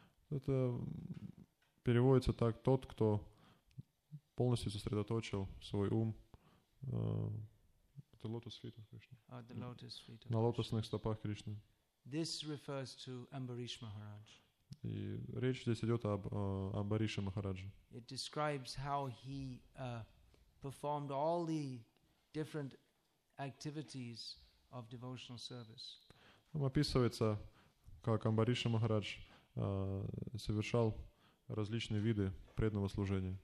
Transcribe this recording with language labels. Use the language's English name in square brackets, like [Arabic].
[Russian] Это переводится так: тот, кто полностью сосредоточил свой ум [English] the lotus feet of Krishna. The lotus feet of [Russian] на лотосных стопах Кришны. [English] This refers to Ambarish Maharaj. [Russian] И речь здесь идет об Амбарише Махарадже. [English] It describes how he performed all the different activities of devotional service. [Russian] Там описывается, как Амбариша Махарадж совершал различные виды преданного служения.